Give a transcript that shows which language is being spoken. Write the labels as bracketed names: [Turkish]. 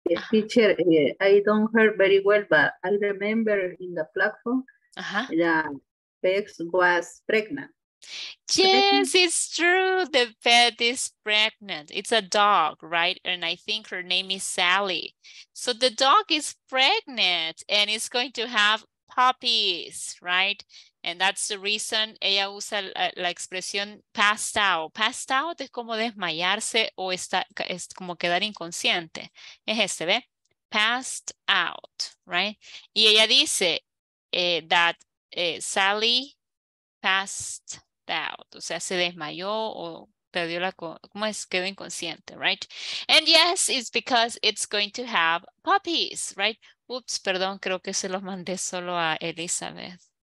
[English] Teacher, I don't hear very well, but I remember in the platform that Bex was pregnant. Yes, it's true. The pet is pregnant. It's a dog, right? And I think her name is Sally. So the dog is pregnant and it's going to have puppies, right? And that's the reason [Spanish] ella usa la expresión [English] passed out. [Spanish] Passed out es como desmayarse o está, es como quedar inconsciente. Es este, ¿ve? Passed out, right? Y ella dice [English] that Sally passed out. [Spanish] O sea, se desmayó o perdió la, ¿cómo es? Quedó inconsciente, right? [English] And yes, it's because it's going to have puppies, right? [Spanish] Oops, perdón, creo que se los mandé solo a Elizabeth.